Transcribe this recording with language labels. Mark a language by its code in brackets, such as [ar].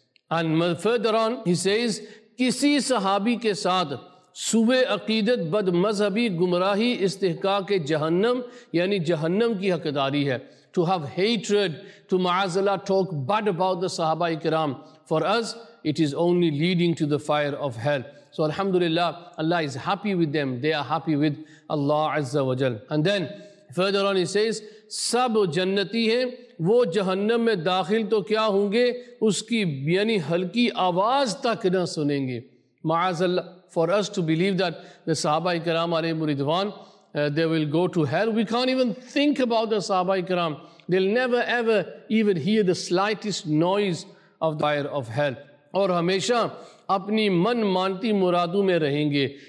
[en] And further on, he says, [ur] Kisi sahabi ke saad, سوے عقیدت بد مذہبی گمراہی استحقاق جہنم یعنی جہنم کی حقداری ہے. [en] To have hatred, to ma'azallah talk bad about the Sahaba Ikram, for us it is only leading to the fire of hell. So alhamdulillah, Allah is happy with them, they are happy with Allah Azza wa Jal. And then further on he says, [ur] سب جنتی ہیں وہ جہنم میں داخل تو کیا ہوں گے اس کی یعنی ہلکی آواز تک نہ سنیں گے. [en] Ma'azallah, for us to believe that the Sahaba Ikram alayhi muridwan, they will go to hell. We can't even think about the Sahaba Ikram. They'll never ever even hear the slightest noise of the fire of hell. [ur] Aur hamesha apni man manti muradu mein rahenge.